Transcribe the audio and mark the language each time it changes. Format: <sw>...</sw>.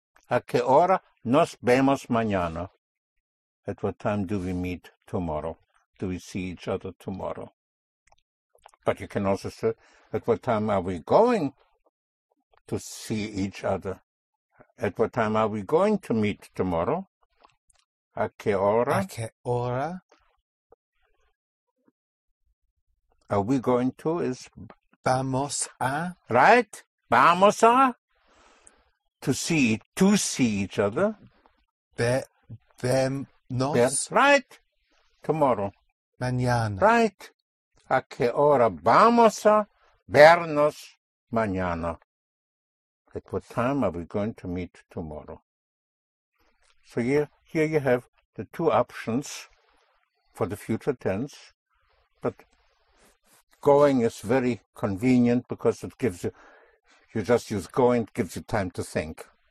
<es>A qué hora nos vemos mañana?</es> <en>At what time do we meet tomorrow? Do we see each other tomorrow? But you can also say, at what time are we going to see each other? At what time are we going to meet tomorrow?</en> <es>A qué hora? A qué hora?</es> <en>Are we going to is</en> <es>vamos a,</es> <en>right?</en> <es>Vamos a</es> <en>to see each other.</en> <es>Vemos.</es> <en>Right. Tomorrow.</en> <es>Mañana.</es> <en>Right.</en> <es>A qué hora vamos a vernos mañana?</es> <en>At what time are we going to meet tomorrow? So here you have the two options for the future tense, but going is very convenient because it gives you, you just use going, it gives you time to think.</en>